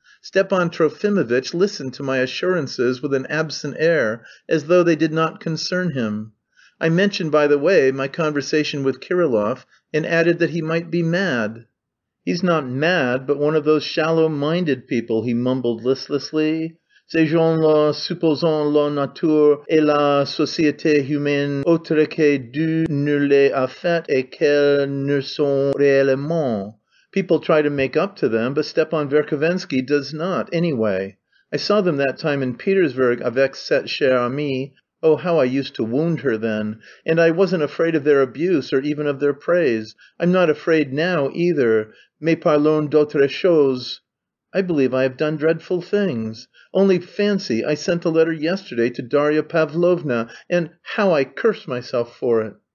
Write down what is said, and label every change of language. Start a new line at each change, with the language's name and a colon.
English: Stepan Trofimovitch listened to my assurances with an absent air, as though they did not concern him. I mentioned, by the way, my conversation with Kirillov, and added that he might be mad. "He's not mad, but one of those shallow-minded people," he mumbled listlessly.
French: "Ces gens-là supposant la nature et la société humaine autre que Dieu ne les a faites et qu'elles ne sont réellement.
English: People try to make up to them, but Stepan Verkhovensky does not, anyway. I saw them that time in Petersburg
French: avec cette chère amie.
English: Oh, how I used to wound her then. And I wasn't afraid of their abuse or even of their praise. I'm not afraid now, either.
French: Mais parlons d'autre chose.
English: I believe I have done dreadful things. Only fancy, I sent a letter yesterday to Darya Pavlovna, and how I cursed myself for it.